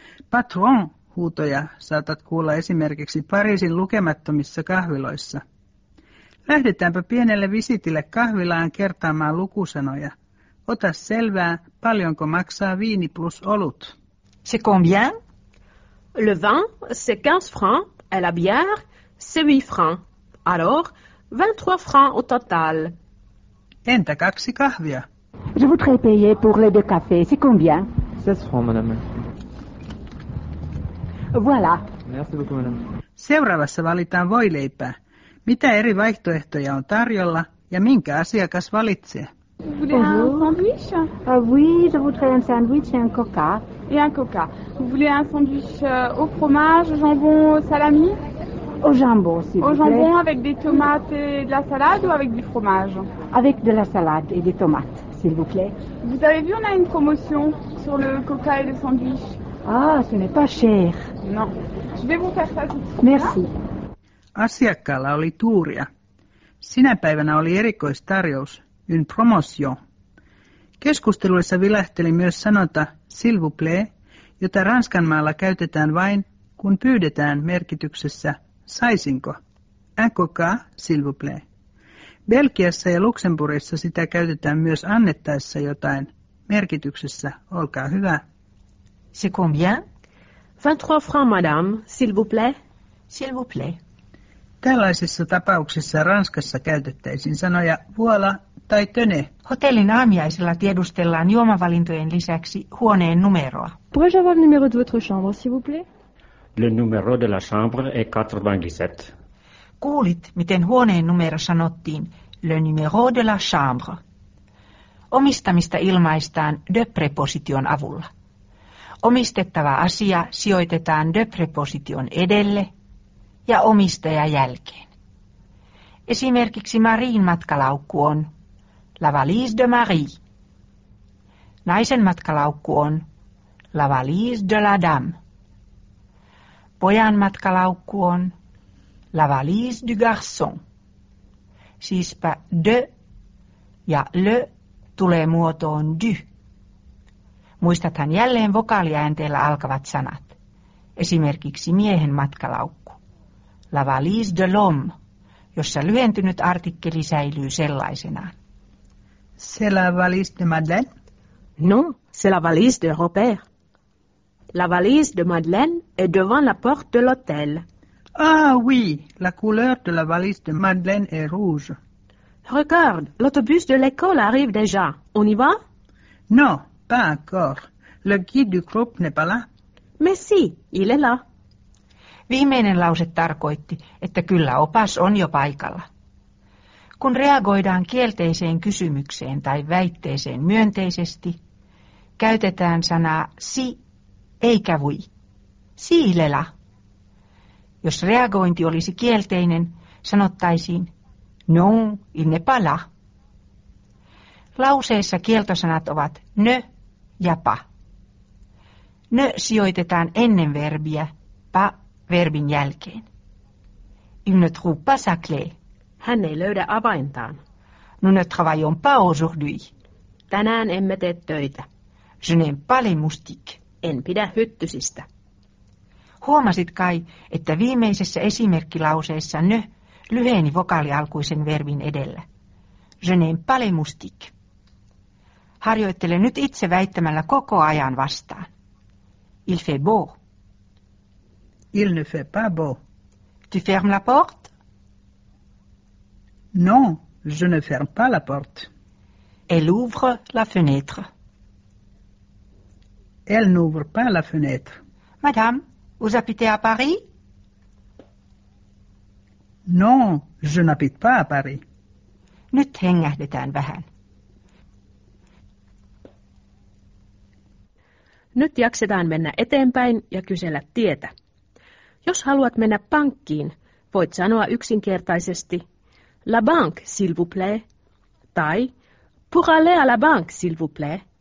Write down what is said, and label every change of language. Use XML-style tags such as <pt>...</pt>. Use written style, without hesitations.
<fi>Patron huutoja saatat kuulla esimerkiksi Pariisin lukemattomissa kahviloissa. Lähdetäänpä pienelle visitille kahvilaan kertaamaan lukusanoja. Ota selvää, paljonko maksaa viini plus olut.</fi> <fr>C'est combien? Le vin, c'est 15 francs, et la bière, c'est 8 francs. Alors, 23 francs au total.</fr> <fi>Entä kaksi kahvia?</fi> <fr>Je voudrais payer pour les deux cafés, c'est combien? 16 francs, madame. Voilà. Merci beaucoup, madame.</fr> <fi>Seuraavassa valitaan voileipää. Mitä eri vaihtoehtoja on tarjolla ja minkä asiakas valitsee?</fi> <fr>Vous voulez un sandwich? Ah oui, je voudrais un sandwich et un coca. Et un coca. Vous voulez un sandwich au fromage, au jambon, au salami? Au jambon, s'il vous plaît. Au jambon avec des tomates et de la salade ou avec du fromage? Avec de la salade et des tomates, s'il vous plaît. Vous avez vu, on a une promotion sur le coca et le sandwich. Ah, ce n'est pas cher. Non. Je vais vous faire ça tout de suite. Merci.</fr> <fi>Asiakkaalla oli tuuria. Sinä päivänä oli erikoistarjous,</fi> <fr>une promotion.</fr> <fi>Keskusteluissa vilahteli myös sanota s'il vous plaît, jota Ranskanmaalla käytetään vain, kun pyydetään merkityksessä saisinko.</fi> <fr>Un coca, s'il vous plaît.</fr> <fi>Belgiassa ja Luxemburgissa sitä käytetään myös annettaessa jotain merkityksessä olkaa hyvä.</fi> <fr>C'est combien? 23 francs, madame, s'il vous plaît. S'il vous plaît.</fr> <fi>Tällaisissa tapauksissa Ranskassa käytettäisiin sanoja voilà tai tenez. Hotellin aamiaisella tiedustellaan juomavalintojen lisäksi huoneen numeroa.</fi> <fr>Pourrais-je avoir le numéro de votre chambre, s'il vous plaît? Le numéro de la chambre est 97.</fr> <fi>Kuulit, miten huoneen numero sanottiin,</fi> <fr>le numéro de la chambre.</fr> <fi>Omistamista ilmaistaan de preposition avulla. Omistettava asia sijoitetaan de preposition edelle ja omistaja jälkeen. Esimerkiksi Marien matkalaukku on</fi> <fr>la valise de Marie.</fr> <fi>Naisen matkalaukku on</fi> <fr>la valise de la dame.</fr> <fi>Pojan matkalaukku on</fi> <fr>la valise du garçon.</fr> <fi>Siispä de ja le tulee muotoon du. Muistathan jälleen vokaaliäänteellä alkavat sanat. Esimerkiksi miehen matkalaukku.</fi> <fr>La valise de l'homme,</fr> <fi>jossa lyhentynyt artikkeli säilyy sellaisenaan.</fi> <fr>C'est la valise de Madeleine? Non, c'est la valise de Robert. La valise de Madeleine est devant la porte de l'hôtel. Ah oui, la couleur de la valise de Madeleine est rouge. Regarde, l'autobus de l'école arrive déjà. On y va? Non, pas encore. Le guide du groupe n'est pas là. Mais si, il est là.</fr> <fi>Viimeinen lause tarkoitti, että kyllä opas on jo paikalla. Kun reagoidaan kielteiseen kysymykseen tai väitteeseen myönteisesti, käytetään sanaa si eikä vui. Siilela. Jos reagointi olisi kielteinen, sanottaisiin</fi> <fr>non, il ne pas là.</fr> <fi>Lauseessa kieltosanat ovat ne ja pa. Ne sijoitetaan ennen verbiä, pa verbin jälkeen.</fi> <fr>Il ne trouve pas sa clé.</fr> <fi>Hän ei löydä avaintaan.</fi> <fr>Nous ne travaillons pas aujourd'hui.</fr> <fi>Tänään emme tee töitä.</fi> <fr>Je n'aime pas les moustiques.</fr> <fi>En pidä hyttysistä. Huomasit kai, että viimeisessä esimerkkilauseessa ne lyheni vokaalialkuisen verbin edellä.</fi> <fr>Je n'aime pas les moustiques.</fr> <fi>Harjoittele nyt itse väittämällä koko ajan vastaan.</fi> <fr>Il fait beau. Il ne fait pas beau. Tu fermes la porte? Non, je ne ferme pas la porte. Elle ouvre la fenêtre. Elle n'ouvre pas la fenêtre. Madame, vous habitez à Paris? Non, je n'habite pas à Paris.</fr> <fi>Nyt hengähdetään vähän. Nyt jaksetaan mennä eteenpäin ja kysellä tietä. Jos haluat mennä pankkiin, voit sanoa yksinkertaisesti</fi> <fr>La banque, s'il vous plaît,</fr> <fi>tai</fi> <fr>Pour aller à la banque, s'il vous plaît.</fr>